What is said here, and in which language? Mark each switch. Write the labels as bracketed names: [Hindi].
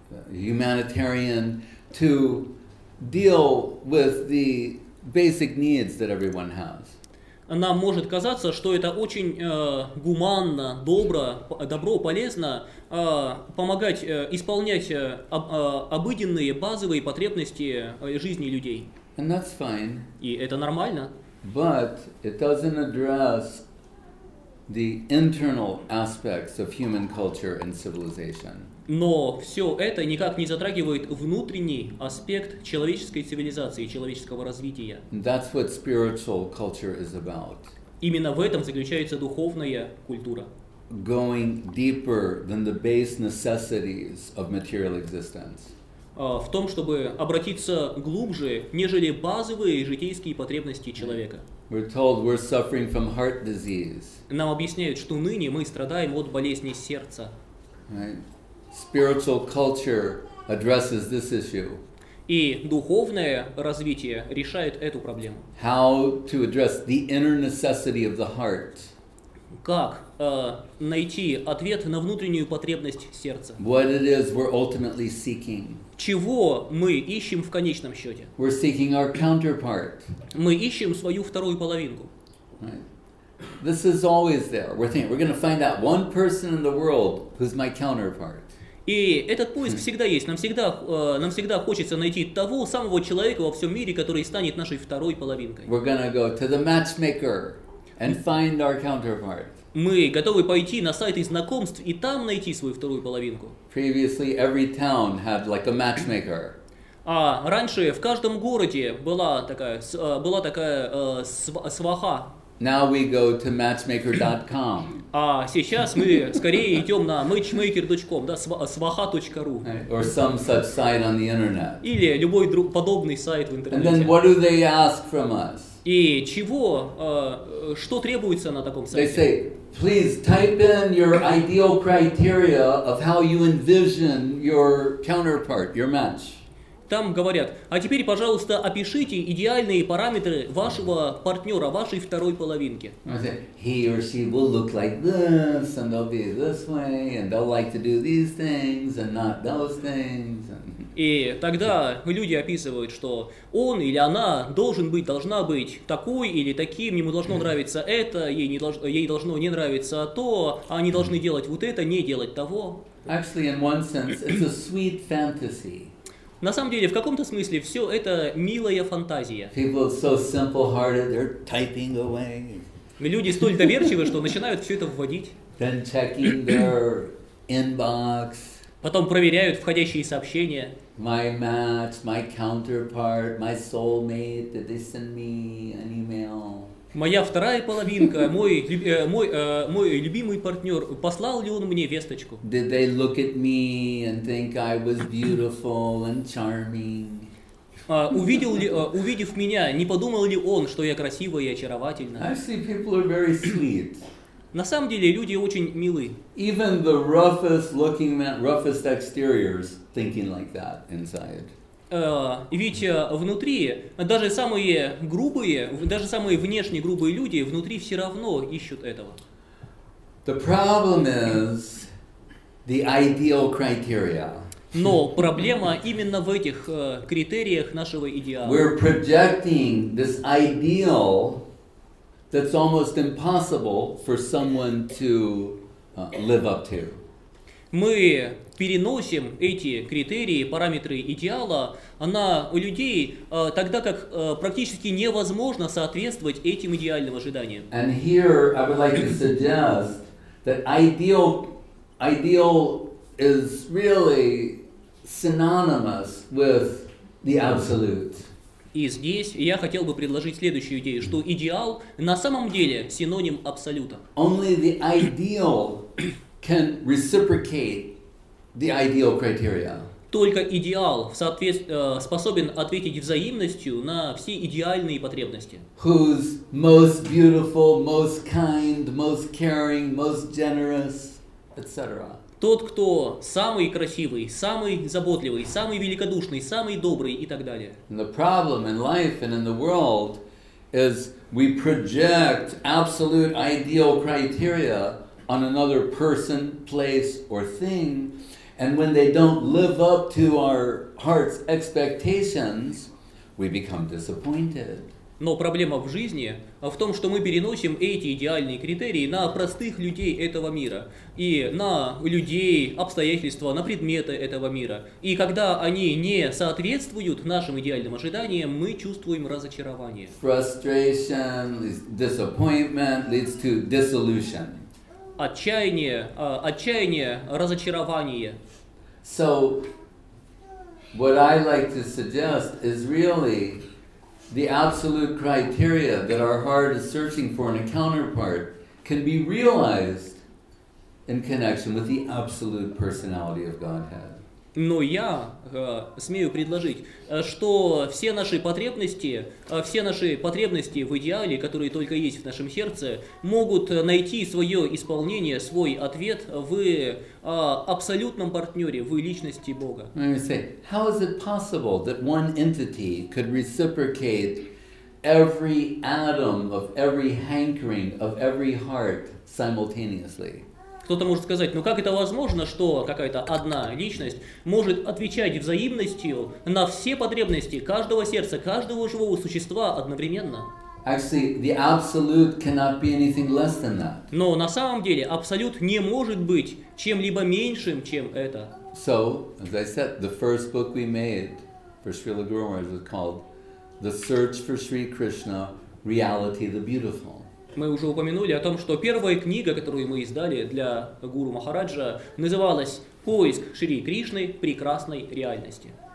[English] Humanitarian, to deal with the basic needs that everyone has. [Russian] Нам может казаться, что это очень гуманно, добро, полезно помогать исполнять обыденные, базовые потребности жизни людей. [English] And that's fine. [Russian] И это нормально. [English] But it doesn't address the internal aspects of human culture and civilization. [Russian] Но все это никак не затрагивает внутренний аспект человеческой цивилизации, человеческого развития. [English] That's what spiritual culture is about. [Russian] Именно в этом заключается духовная культура. [English] Going deeper than the base necessities of material existence. [Russian] В том, чтобы обратиться глубже, нежели базовые житейские потребности человека. [English] We're told we're suffering from heart disease. [Russian] Нам объясняют, что ныне мы страдаем от болезни сердца. [English] Right. Spiritual culture addresses this issue. [Russian] И духовное развитие решает эту проблему. [English] How to address the inner necessity of the heart? [Russian] Как найти ответ на внутреннюю потребность сердца? [English] What it is we're ultimately seeking? [Russian] Чего мы ищем в конечном счете? [English] We're seeking our counterpart. [Russian] Мы ищем свою вторую половинку. [English] Right. This is always there. We're thinking we're going to find out one person in the world who's my counterpart. [Russian] И этот поиск всегда есть. Нам всегда хочется найти того самого человека во всем мире, который станет нашей второй половинкой. [English] We're gonna go to the matchmaker and find our counterpart. [Russian] Мы готовы пойти на сайты знакомств и там найти свою вторую половинку. [English] Previously, every town had like a matchmaker. [Russian] А раньше в каждом городе была такая сваха. [English] Now we go to matchmaker.com. [Russian] А сейчас мы скорее идем на matchmaker.com, да, svaha.ru. [English] Or some such site on the internet. [Russian] Или любой подобный сайт в интернете. [English] And then what do they ask from us? [Russian] И чего, что требуется на таком сайте? [English] They say, please type in your ideal criteria of how you envision your counterpart, your match. [Russian] Там говорят, а теперь, пожалуйста, опишите идеальные параметры вашего партнера, вашей второй половинки. [English] He or she will look like this, and they'll be this way, and they'll like to do these things, and not those things. [Russian] И тогда люди описывают, что он или она должна быть такой или таким, ему должно нравиться это, ей должно не нравиться то, а они должны делать вот это, не делать того. [English] Actually, in one sense, it's a sweet fantasy. [Russian] На самом деле, в каком-то смысле, все это милая фантазия. [English] People are so simple-hearted, they're typing away. [Russian] Люди столь доверчивы, что начинают все это вводить. [English] Then checking their inbox. [Russian] Потом проверяют входящие сообщения. [English] My match, my counterpart, my soulmate, did they send me an email? [Russian] Моя вторая половинка, мой любимый партнер, послал ли он мне весточку? [English] Did they look at me and think I was beautiful and charming? [Russian] Увидел ли, увидев меня, не подумал ли он, что я красива и очаровательна? [English] I see people are very sweet. [Russian] На самом деле люди очень милы. [English] Even the roughest looking man, roughest exteriors thinking like that inside. [Russian] Ведь внутри даже самые внешне грубые люди внутри все равно ищут этого. [English] The problem is the ideal criteria. [Russian] Но проблема именно в этих критериях нашего идеала. [English] We're projecting this ideal that's almost impossible for someone to live up to. [Russian] Мы переносим эти критерии, параметры идеала на людей, тогда как практически невозможно соответствовать этим идеальным ожиданиям. [English] And here I would like to suggest that ideal is really synonymous with the absolute. [Russian] И здесь я хотел бы предложить следующую идею, что идеал на самом деле синоним абсолюта. [English] Only the ideal can reciprocate the ideal criteria. [Russian] Только идеал способен ответить взаимностью на все идеальные потребности. [English] Whose most beautiful, most kind, most caring, most generous, etc. [Russian] Тот, кто самый красивый, самый заботливый, самый великодушный, самый добрый и так далее. [English] The problem in life and in the world is we project absolute ideal criteria on another person, place, or thing, and when they don't live up to our heart's expectations, we become disappointed. [Russian] Но проблема в жизни в том, что мы переносим эти идеальные критерии на простых людей этого мира и на людей, обстоятельства, на предметы этого мира. И когда они не соответствуют нашим идеальным ожиданиям, мы чувствуем разочарование. [English] Frustration, disappointment leads to disillusion. [Russian] Отчаяние, разочарование. [English] So, what I like to suggest is really the absolute criteria that our heart is searching for in a counterpart can be realized in connection with the absolute personality of Godhead. [Russian] Но я смею предложить, что все наши потребности в идеале, которые только есть в нашем сердце, могут найти свое исполнение, свой ответ в абсолютном партнере, в личности Бога. [English] How is it possible that one entity could reciprocate every atom of every hankering of every heart simultaneously? [Russian] Кто-то может сказать, ну как это возможно, что какая-то одна личность может отвечать взаимностью на все потребности каждого сердца, каждого живого существа одновременно? [English] Actually, the absolute cannot be anything less than that. [Russian] Но на самом деле абсолют не может быть чем-либо меньшим, чем это. [English] So, as I said, the first book we made for Srila Guru Maharaj was called The Search for Sri Krishna, Reality the Beautiful. [Russian] Мы уже упомянули о том, что первая книга, которую мы издали для Гуру Махараджа, называлась «Поиск Шри Кришны прекрасной реальности».